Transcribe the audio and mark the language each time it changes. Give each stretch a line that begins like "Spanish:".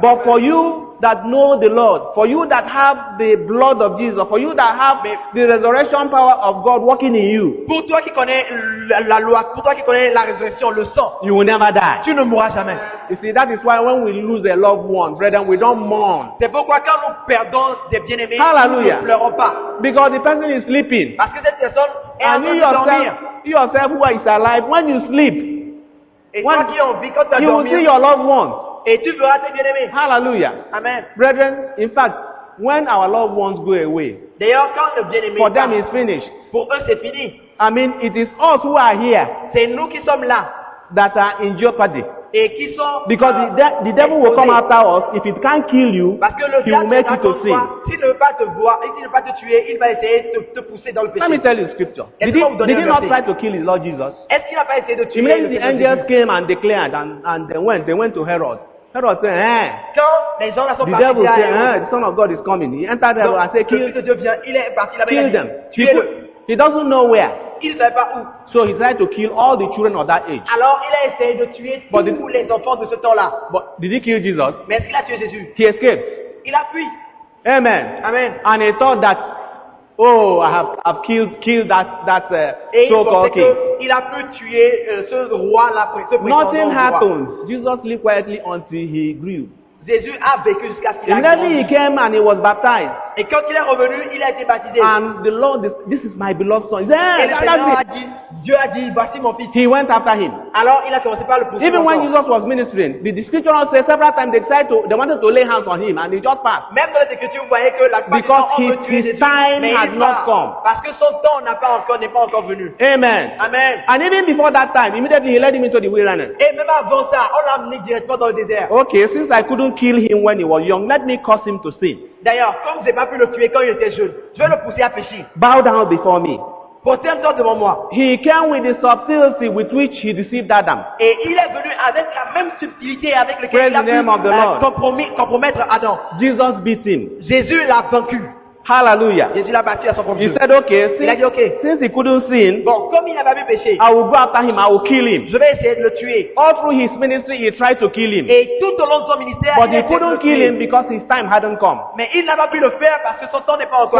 English: But for you that know the Lord, for you that have the blood of Jesus, for you that have the resurrection power of God working in you,
French: pour toi qui connais la loi, pour toi qui connais la résurrection, le sang,
English: you will never die.
French: Tu ne mourras jamais.
English: You see, that is why when we lose a loved one, brethren, we don't mourn.
French: C'est pourquoi quand nous perdons des bien-aimés, hallelujah, nous ne pleurons pas.
English: Because the person is sleeping.
French: Parce que cette personne est en train de dormir.
English: You yourself who is alive, when you sleep,
French: when toi qui en vie, quand tu as
English: you
French: dormir,
English: will see your loved one.
French: Et tu verras tes bien-aimés. Hallelujah. Amen.
English: Brethren, in fact, when our loved ones go away,
French: d'ailleurs, quand le bien-aimé
English: for them is finished.
French: Pour eux, c'est fini.
English: I mean, it is us who are here.
French: C'est nous qui sommes là.
English: That are in jeopardy.
French: Et qui sont
English: because the devil will come after us. If it can't kill you,
French: parce que le
English: he will make you to sin.
French: S'il ne veut pas te voir, s'il ne veut pas te tuer, il va essayer de te pousser dans le péché.
English: Let me tell you scripture. Did he not try to kill his Lord Jesus?
French: Est-ce qu'il n'a pas essayé de tuer Jésus?
English: The angels came and declared and they went to Herod. Herod said, hey,
French: quand les gens
English: the devil said, hey, the son of God is coming. He entered Herod and said, kill, kill them. He doesn't know where.
French: Il ne savait pas où.
English: So he tried to kill all the children of that age.
French: Alors il a essayé de tuer tous les enfants de ce temps-là.
English: But did he kill Jesus?
French: Mais est-ce qu'il a tué Jésus?
English: He escaped.
French: Il a fui. Amen. Amen.
English: And he thought that, oh, I've killed that so-called king.
French: Il a pu tuer ce roi là, ce prétendant.
English: Nothing happened. Jesus lived quietly until he grew.
French: Jésus a vécu jusqu'à ce qu'il a grandi.
English: He came and he was baptized.
French: Et quand il est revenu, il a été baptisé.
English: And the Lord, this is my beloved son. Yeah,
French: et le Seigneur a dit, Dieu a dit, voici mon fils.
English: He went after him.
French: Alors il a commencé par le pousser.
English: Even when Jesus was ministering, the scripture says several times they wanted to lay hands on him and he just passed.
French: Même dans les écritures, vous voyez que la plupart
English: because
French: des gens ont
English: his time had not come.
French: Parce que son temps n'est pas encore venu. Amen. Amen.
English: And even before that time, immediately he led him into the wilderness.
French: Et même avant ça, on l'a amené directement dans le désert.
English: Okay, since I couldn't kill him when he was young, let me cause him to sin.
French: D'ailleurs, comme vous n'avez pas pu le tuer quand il était jeune, je vais le pousser à pécher.
English: Bow down before me.
French: Portez-toi devant moi.
English: He came with the subtlety with which he deceived Adam.
French: Et il est venu avec la même subtilité avec laquelle il a pu compromettre Adam.
English: Jesus beat him.
French: Jésus l'a vaincu. Hallelujah. Jésus l'a battu à son profit.
English: He said, okay,
French: il a dit ok.
English: Since he couldn't sin,
French: bon, comme il n'avait pas vu péché,
English: I will go after him, I will kill him.
French: Je vais essayer de le tuer.
English: All through his ministry, he tried to kill him.
French: Et tout au long de son ministère,
English: but he couldn't kill him because his time hadn't come.
French: Mais il n'a pas pu le faire parce que son temps n'est pas encore